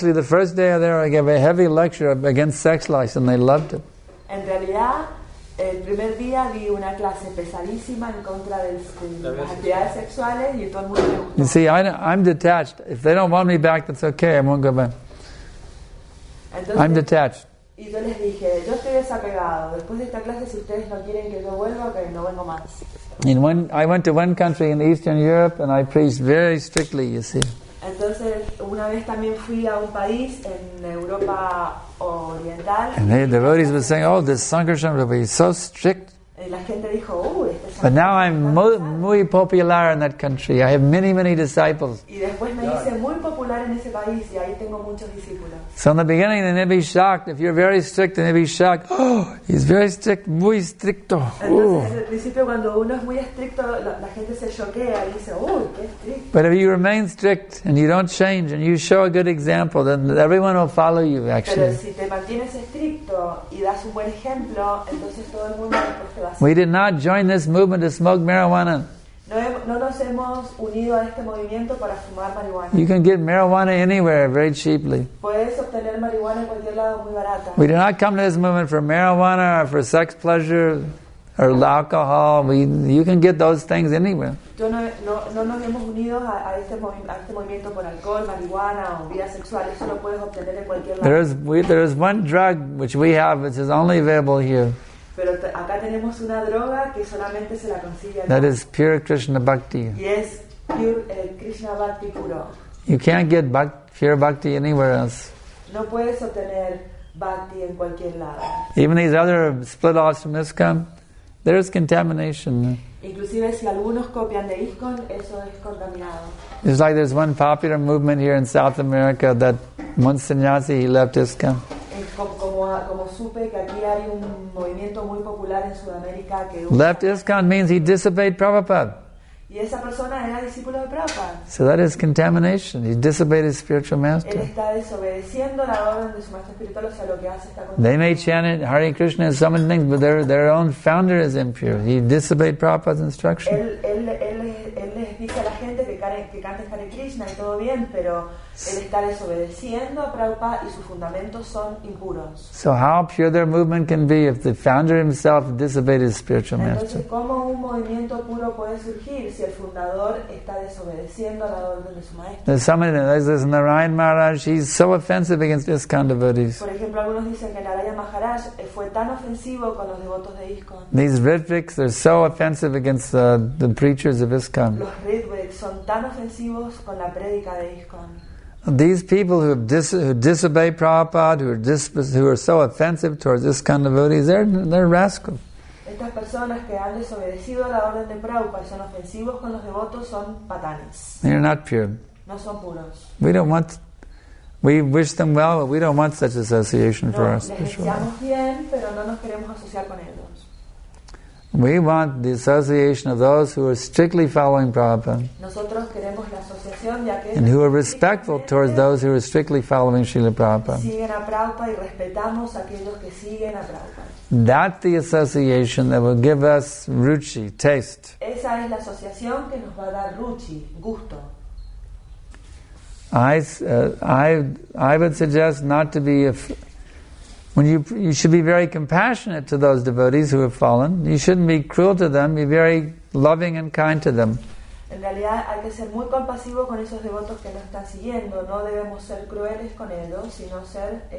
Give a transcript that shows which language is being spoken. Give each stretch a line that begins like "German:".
English: Actually, the first day there I gave a heavy lecture against sex life and they loved it.
Spanish: En realidad, el primer día di una clase pesadísima en contra de las actividades sexuales y todo el mundo me gustó.
English: You see, I'm detached. If they don't want me back, that's okay. I won't go back.
Spanish: Entonces,
English: I'm detached.
Spanish: Y yo les dije, yo estoy desapegado. Después de esta clase, si ustedes no quieren que yo vuelva, que no vengo más.
English: I went to one country in Eastern Europe and I preached very strictly, you see.
Spanish: Entonces, una vez también fui a un país en Europa Oriental.
English: And the devotees were saying, oh, this Sankarshan will be so strict.
Spanish: La gente dijo, oh, este
English: but now I'm
Spanish: muy popular
English: in that country. I have many, many disciples.
Spanish: Y después me hice muy popular en ese país y ahí tengo muchos discípulos.
English: So in the beginning, then they'd be shocked. If you're very strict, then they'd be shocked. Oh, he's very strict,
Spanish: muy estricto. Entonces, en el principio, cuando uno es muy estricto, la gente se choquea y dice, oh, qué estricto.
English: But if you remain strict and you don't change and you show a good example, then everyone will follow you, actually.
Spanish: Pero si te mantienes estricto y das un buen ejemplo, entonces todo el mundo después te va a seguir.
English: We did not join this movement to smoke marijuana.
Spanish: No nos hemos unido a este movimiento para fumar marihuana.
English: You can get marijuana anywhere very cheaply.
Spanish: Puedes obtener marihuana en cualquier lado muy barata.
English: We do not come to this movement for marijuana or for sex pleasure or alcohol. You can get those things anywhere.
Spanish: No nos hemos unido a este movimiento por alcohol, marihuana o vida sexual. Eso lo puedes obtener en cualquier lado.
English: There is one drug which we have which is only available here.
Spanish: Pero acá tenemos una droga que solamente se la consigue.
English: That is pure Krishna bhakti. Yes, pure Krishna bhakti puro. You can't get pure bhakti anywhere else.
Spanish: No puedes obtener bhakti en cualquier lado.
English: Even these other split offs from ISKCON, there is contamination.
Spanish: Inclusive si algunos copian de ISKCON, eso es contaminado.
English: It's like there's one popular movement here in South America that once sannyasi he left ISKCON.
Spanish: Como supe que aquí hay un movimiento muy popular en Sudamérica que
English: left ISKCON means he disobeyed Prabhupada.
Spanish: Y esa persona era discípulo de Prabhupada.
English: So that is contamination. He disobeyed his spiritual master.
Spanish: Él está desobedeciendo la orden de su maestro espiritual, o sea, lo que hace está contaminado.
English: They may chant it, Hare Krishna and so many things, but their own founder is impure. He disobeyed Prabhupada's instruction.
Spanish: Él les dice a la gente que cante Hare Krishna. Krishna y todo bien, pero el estar desobedeciendo a Prabhupada y sus fundamentos son impuros.
English: So how pure their movement can be if the founder himself disobeyed his spiritual master?
Spanish: Entonces, ¿cómo un movimiento puro puede surgir si el fundador está desobedeciendo a la orden de su maestro?
English: There's somebody that says Narayan Maharaj, he's so offensive against ISKCON devotees.
Spanish: Por ejemplo, algunos dicen que Narayan Maharaj fue tan ofensivo con los devotos de ISKCON.
English: These Ritviks are so offensive against the preachers of ISKCON.
Spanish: Los Ritviks son tan ofensivos con la prédica de ISKCON.
English: These people who disobey Prabhupada, who are so offensive towards this kind of devotees, they're rascals.
Spanish: Estas personas que han desobedecido la orden de Prabhupada y son ofensivos con los devotos son patanes.
English: They're not pure.
Spanish: No son puros.
English: We wish them well, but we don't want such association for us.
Spanish: Les deseamos bien, pero no nos queremos asociar con ellos.
English: We want the association of those who are strictly following Prabhupada.
Spanish: Nosotros queremos la asociación de aquellos
English: and who are respectful towards those who are strictly following Srila
Spanish: Prabhupada. Siguen a Prabhupada y respetamos a aquellos que siguen a Prabhupada.
English: That's the association that will give us ruchi, taste.
Spanish: Esa es la asociación que nos va a dar ruchi, gusto.
English: I would suggest not to be you should be very compassionate to those devotees who have fallen. You shouldn't be cruel to them. Be very loving and kind to them.
Spanish: En realidad, hay que ser muy compasivo con esos devotos que nos están siguiendo. No debemos ser crueles con ellos, sino ser.